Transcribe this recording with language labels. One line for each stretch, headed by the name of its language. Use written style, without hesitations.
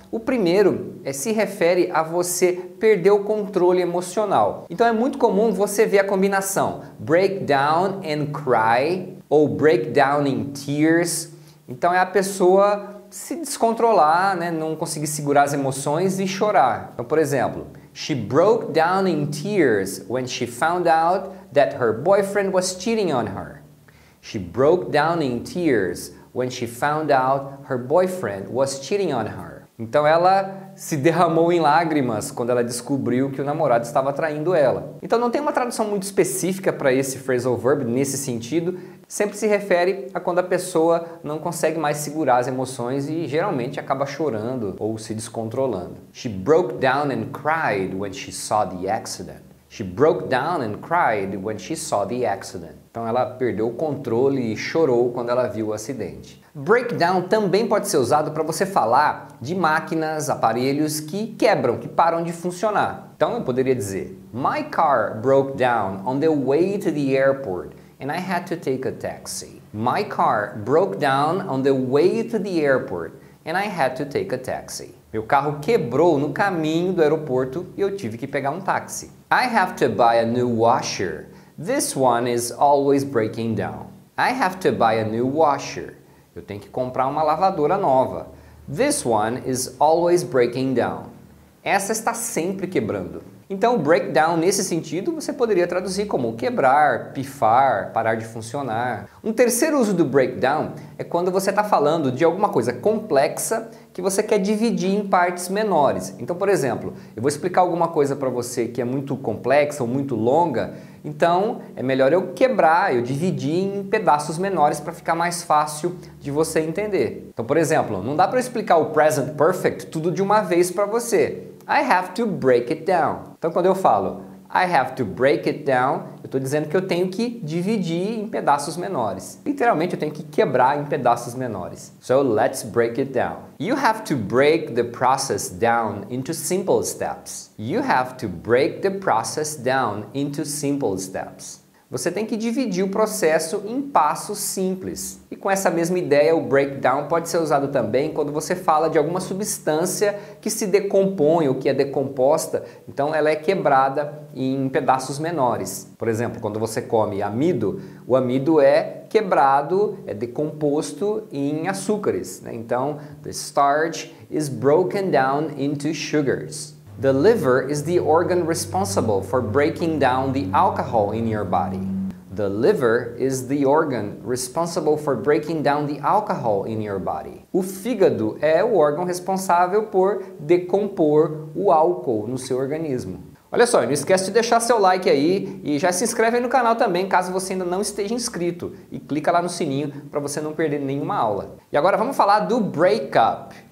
Portuguese: O primeiro se refere a você perder o controle emocional. Então é muito comum você ver a combinação
English: breakdown and cry
Portuguese: ou
English: breakdown in tears.
Portuguese: Então é a pessoa se descontrolar, né, não conseguir segurar as emoções e chorar. Então, por exemplo,
English: she broke down in tears when she found out that her boyfriend was cheating on her. She broke down in tears when she found out her boyfriend was cheating on her.
Portuguese: Então ela se derramou em lágrimas quando ela descobriu que o namorado estava traindo ela. Então não tem uma tradução muito específica para esse phrasal verb nesse sentido. Sempre se refere a quando a pessoa não consegue mais segurar as emoções e geralmente acaba chorando ou se descontrolando.
English: She broke down and cried when she saw the accident. She broke down and cried when she saw the accident.
Portuguese: Então ela perdeu o controle e chorou quando ela viu o acidente. Breakdown também pode ser usado para você falar de máquinas, aparelhos que quebram, que param de funcionar. Então eu poderia dizer:
English: My car broke down on the way to the airport and I had to take a taxi. My car broke down on the way to the airport and I had to take a taxi.
Portuguese: Meu carro quebrou no caminho do aeroporto e eu tive que pegar um táxi.
English: I have to buy a new washer. This one is always breaking down. I have to buy a new washer.
Portuguese: Eu tenho que comprar uma lavadora nova.
English: This one is always breaking down.
Portuguese: Essa está sempre quebrando. Então, breakdown, nesse sentido, você poderia traduzir como quebrar, pifar, parar de funcionar. Um terceiro uso do breakdown é quando você está falando de alguma coisa complexa que você quer dividir em partes menores. Então, por exemplo, eu vou explicar alguma coisa para você que é muito complexa ou muito longa, então é melhor eu quebrar, eu dividir em pedaços menores para ficar mais fácil de você entender. Então, por exemplo, não dá para explicar o present perfect tudo de uma vez para você.
English: I have to break it down.
Portuguese: Então quando eu falo
English: I have to break it down,
Portuguese: eu estou dizendo que eu tenho que dividir em pedaços menores. Literalmente, eu tenho que quebrar em pedaços menores.
English: So let's break it down. You have to break the process down into simple steps. You have to break the process down into simple steps.
Portuguese: Você tem que dividir o processo em passos simples. E com essa mesma ideia, o breakdown pode ser usado também quando você fala de alguma substância que se decompõe ou que é decomposta, então ela é quebrada em pedaços menores. Por exemplo, quando você come amido, o amido é quebrado, é decomposto em açúcares, né? Então,
English: the starch is broken down into sugars. The liver is the organ responsible for breaking down the alcohol in your body. The liver is the organ responsible for breaking down the alcohol in your body.
Portuguese: O fígado é o órgão responsável por decompor o álcool no seu organismo. Olha só, não esquece de deixar seu like aí e já se inscreve aí no canal também, caso você ainda não esteja inscrito. E clica lá no sininho para você não perder nenhuma aula. E agora vamos falar do breakup.